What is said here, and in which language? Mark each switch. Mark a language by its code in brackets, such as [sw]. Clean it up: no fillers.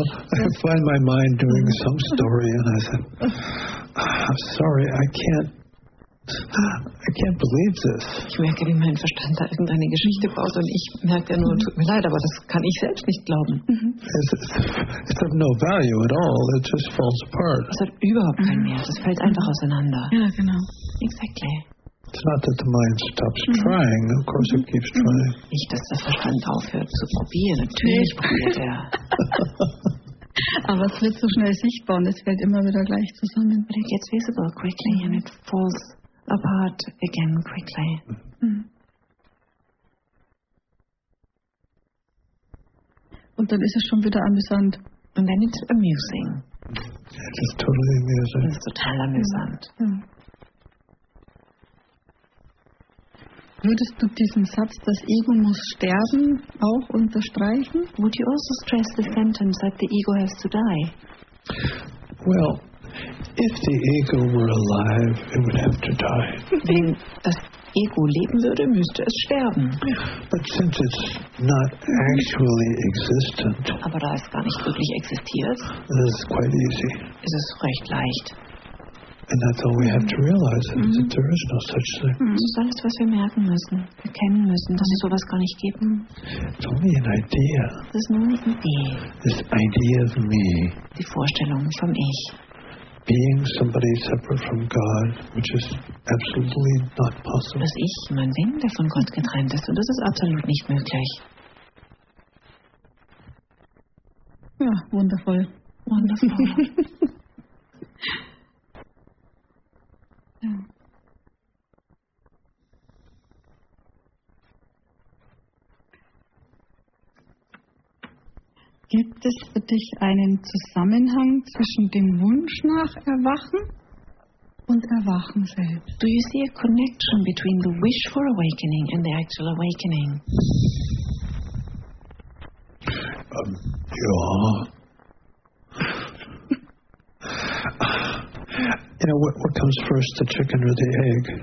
[en] I find my mind doing some story and I said, I'm sorry, I can't believe this. [de] Ich merke, wie mein Verstand da irgendeine Geschichte baut und ich merke nur, tut mir leid, aber das kann ich selbst nicht glauben. [en] It's of no value at all. It just falls apart. [de] Es hat überhaupt keinen Wert. Es fällt einfach auseinander. Ja, genau. [en] Exactly. It's not that the mind stops trying. Of course it keeps trying. [de] Nicht, dass der Verstand aufhört zu probieren. Natürlich probiert er. Aber es wird so schnell sichtbar und es fällt immer wieder gleich zusammen. [en] But it gets visible quickly and it falls apart again quickly. [de] Und dann ist es schon wieder amüsant. [en] And then it's amusing. It is totally amusing. [de] Es ist total amüsant. Würdest du diesen Satz, das Ego muss sterben, auch unterstreichen? [en] Would you also stress the sentence that the ego has to die? Well, if the ego were alive, it would have to die. [de] Wenn das Ego leben würde, müsste es sterben. [en] But since it's not actually existent, [de] aber da es gar nicht wirklich existiert, [en] it is quite easy. [de] Ist es recht leicht. [en] And that's all we have to realize, that there is no such thing. [de] Das ist alles, was wir merken müssen, erkennen müssen, dass es sowas gar nicht gibt. [en] It's only an idea. [de] Das ist nur eine Idee. [en] This idea of me. [de] Die Vorstellung vom Ich. [en] Being somebody separate from God, which is absolutely not possible. [de] Dass ich mein Ding, der von Gott getrennt ist, und das ist absolut nicht möglich. Ja, wundervoll. Wundervoll. Gibt es für dich einen Zusammenhang zwischen dem Wunsch nach Erwachen und Erwachen selbst? [en] Do you see a connection between the wish for awakening and the actual awakening? [de] Ja. [en] You know, what comes first, the chicken or the egg?